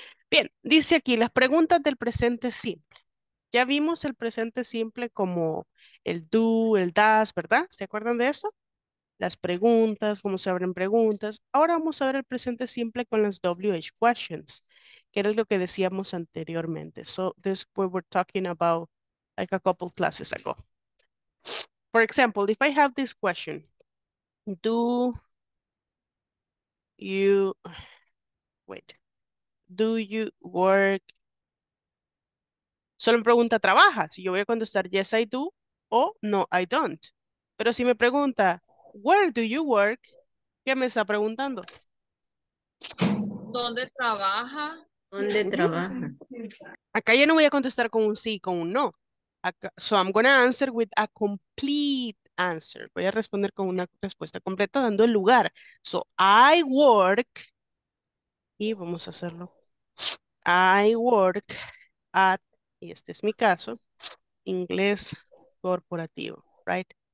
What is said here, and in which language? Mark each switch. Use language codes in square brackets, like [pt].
[es] Bien, dice aquí, las preguntas del presente simple. Ya vimos el presente simple como el do, el does, ¿verdad? ¿Se acuerdan de eso? Las preguntas, cómo se abren preguntas. Ahora vamos a ver el presente simple con las WH questions, que era lo que decíamos anteriormente. [en] So, this is what we're talking about. Like a couple classes ago. For example, if I have this question, do you work? [es] Solo me pregunta, ¿trabajas? Yo voy a contestar, [en] yes, I do, [es] o [en] no, I don't. [es] Pero si me pregunta, [en] where do you work? [es] ¿Qué me está preguntando? ¿Dónde trabaja? ¿Dónde trabaja? Acá yo no voy a contestar con un sí, con un no. Acá, [en] so I'm going to answer with a complete answer. [es] Voy a responder con una respuesta completa dando el lugar. [en] So I work, [es] y vamos a hacerlo. [en] I work at, [es] y este es mi caso, inglés corporativo, [en] right?